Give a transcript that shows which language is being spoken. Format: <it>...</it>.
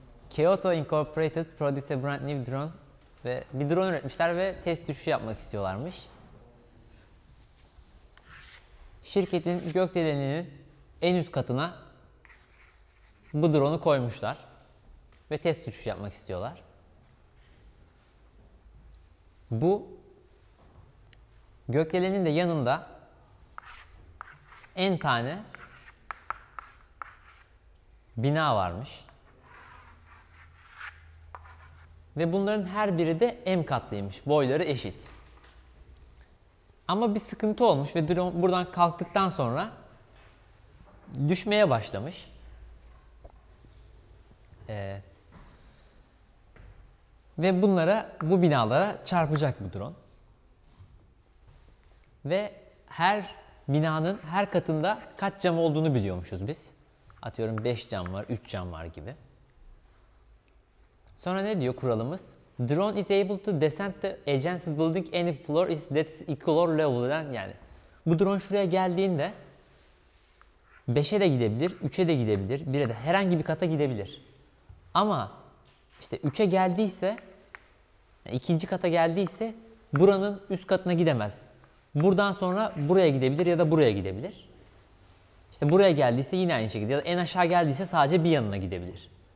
<en>Kyoto Incorporated produced a brand new drone.</en> <tr>Ve bir drone üretmişler ve test düşüşü yapmak istiyorlarmış. Şirketin gökdeleninin en üst katına bu drone'u koymuşlar. Ve test düşüşü yapmak istiyorlar. Bu gökdelenin de yanında en tane bina varmış. Ve bunların her biri de M katlıymış. Boyları eşit. Ama bir sıkıntı olmuş ve drone buradan kalktıktan sonra düşmeye başlamış. Ve bunlara, bu binalara çarpacak bu drone. Ve her binanın her katında kaç cam olduğunu biliyormuşuz biz. Atıyorum 5 cam var, 3 cam var gibi. Sonra ne diyor kuralımız?</tr> <en>Drone is able to descend the adjacent building any floor is that equal or level.</en> <tr>Yani bu drone şuraya geldiğinde 5'e de gidebilir, 3'e de gidebilir, 1'e de herhangi bir kata gidebilir. Ama İşte 3'e geldiyse, yani ikinci kata geldiyse buranın üst katına gidemez. Buradan sonra buraya gidebilir ya da buraya gidebilir. İşte buraya geldiyse yine aynı şekilde ya da en aşağı geldiyse sadece bir yanına gidebilir.</tr>